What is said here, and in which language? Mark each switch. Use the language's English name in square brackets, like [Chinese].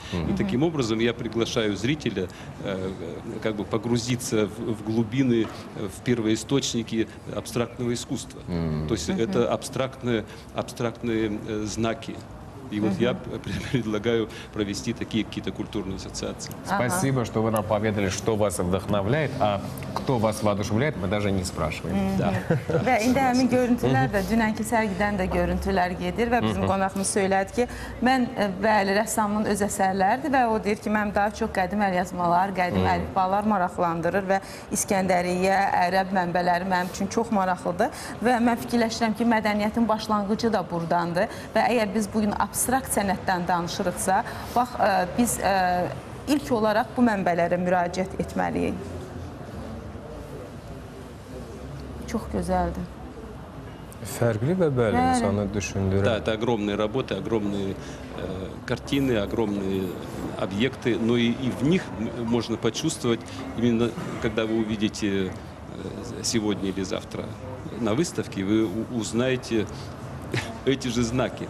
[Russian] И таким образом я приглашаю зрителя как бы погрузиться в глубины, в первоисточники абстрактного искусства. То есть это абстрактные знаки. И вот я предлагаю провести такие какие-то культурные ассоциации. Спасибо, что вы нам поведали, что вас вдохновляет, а кто вас воодушевляет, мы даже не спрашиваем. [Azerbaijani] Ve indi həmin görüntülər də dünənki sərgidən də görüntülər gedir və bizim qonağımız söylədi ki, mən bəli rəssamın öz əsərləridir və o deyir ki, mən daha çox qədim əlyazmalar, qədim əlifbalar maraqlandırır və İskəndəriyyə, ərəb mənbələri mənim üçün çox maraqlıdır və mən fikirləşirəm ki, mədəniyyətin başlanğıcı da burdandır və əgər biz bu gün abstrakt sənətdən danışırıqsa, bax biz ilk olaraq bu mənbələrə müraciət etməliyik. Çox gözəldir. Фергли Бебель, на самом деле, душиндюра. [Russian] Да, это огромные работы, огромные картины, огромные объекты, но и в них можно почувствовать, именно когда вы увидите сегодня или завтра на выставке, вы узнаете эти же знаки.